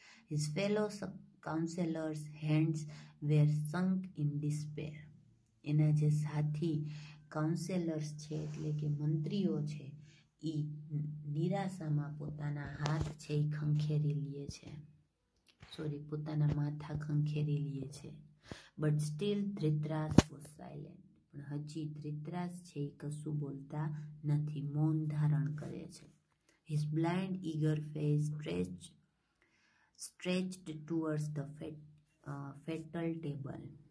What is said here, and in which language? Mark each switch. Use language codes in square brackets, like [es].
[en] His fellow counsellors hands were sunk in despair. [gu] એના જે સાથી કાઉન્સેલર્સ છે એટલે કે મંત્રીઓ છે, એ નિરાશામાં પોતાના હાથ છે એ ખંખેરી લે છે, સોરી, પોતાના માથા ખંખેરી લે છે. [en] But still Dhritarashtra was silent. [gu] પણ હજી ધૃતરાષ્ટ્ર છે એ કશું બોલતા નથી, મૌન ધારણ કરે છે. [en] His blind eager face stretched towards the fatal table.